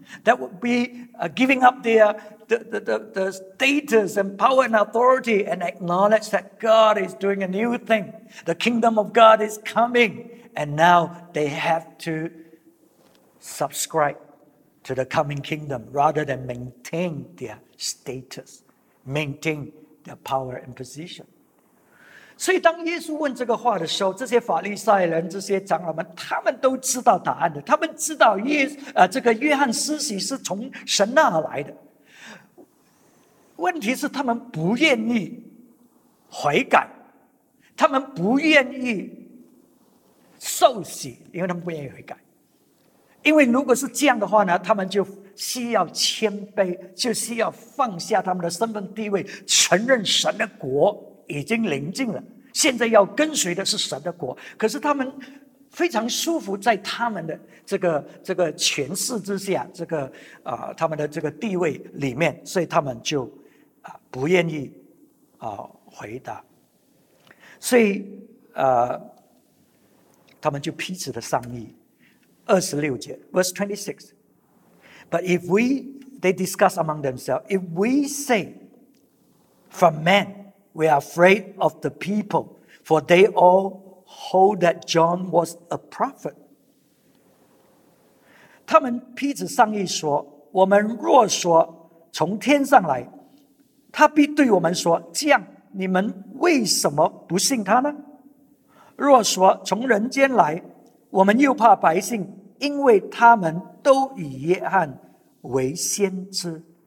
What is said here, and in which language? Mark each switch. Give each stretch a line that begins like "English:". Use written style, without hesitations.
English: That would be giving up the status and power and authority and acknowledge that God is doing a new thing. The kingdom of God is coming. And now they have to subscribe to the coming kingdom rather than maintain their status, maintain their power and position.
Chinese: 所以当耶稣问这个话的时候，这些法利赛人、这些长老们，他们都知道答案的。他们知道这个约翰施洗是从神那儿来的。问题是他们不愿意悔改，他们不愿意受洗，因为他们不愿意悔改。因为如果是这样的话呢，他们就需要谦卑，就需要放下他们的身份地位，承认神的国已经临近了，现在要跟随的是神的国。可是他们非常舒服在他们的这个权势之下，他们的这个地位里面，所以他们就不愿意回答。所以他们就彼此的商议。 26节
English: verse 26, but if we, they discuss among themselves, if we say from men, we are afraid of the people, for they all hold that John was a prophet.
Chinese: 他们彼此商议说，我们若说从天上来，他必对我们说，这样你们为什么不信他呢？若说从人间来，我们又怕百姓，因为他们都以约翰为先知。